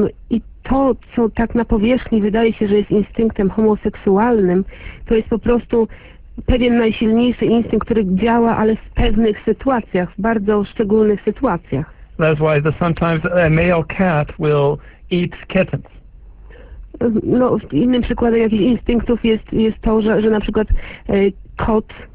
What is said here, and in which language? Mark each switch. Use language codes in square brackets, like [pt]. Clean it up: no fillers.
[pl] I to, co tak na powierzchni wydaje się, że jest instynktem homoseksualnym, to jest po prostu pewien najsilniejszy instynkt, który działa, ale w pewnych sytuacjach, w bardzo szczególnych sytuacjach. [en] That's why sometimes a male cat will eat kittens. [pl] No, innym przykładem jakichś instynktów jest to, że na przykład kot